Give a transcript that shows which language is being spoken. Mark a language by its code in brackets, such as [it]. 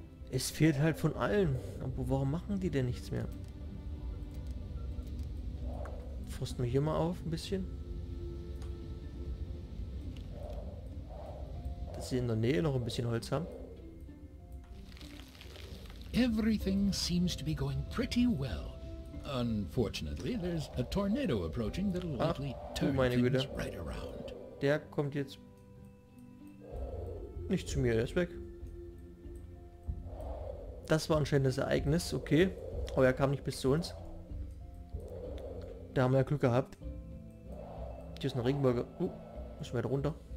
[de] Es fehlt halt von allen. Aber warum machen die denn nichts mehr? Frusten wir hier mal auf ein bisschen. In der Nähe noch ein bisschen Holz haben. [en] Everything seems to be going pretty well. Unfortunately, there's a tornado approaching that'll likely turn things right around. [de] Der kommt jetzt nicht zu mir, der ist weg. Das war anscheinend das Ereignis, okay. Aber er kam nicht bis zu uns. Da haben wir ja Glück gehabt. Hier ist ein Regenbogen. Muss weiter runter.